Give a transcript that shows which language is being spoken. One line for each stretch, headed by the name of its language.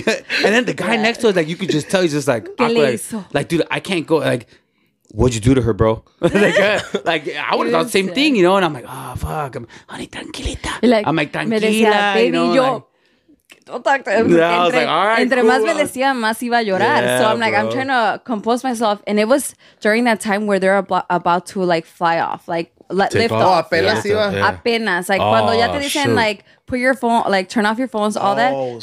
English: And then the guy next to us, like, you could just tell, he's just like, like, dude, I can't go. Like, what'd you do to her, bro? like, I would have done the same thing, you know? And I'm like, oh, fuck. I'm like, honey, tranquilita. Like, I'm like, tranquila, you know?
Spanish: Entre más me decía, más iba a llorar.
English: So I'm like, I'm trying to compose myself. And it was during that time where they're about to, like, fly off. Like, lift off.
Spanish: Apenas iba. Apenas.
English: Like,
Spanish: cuando ya te dicen,
English: like, put your phone, like, turn off your phones, all that.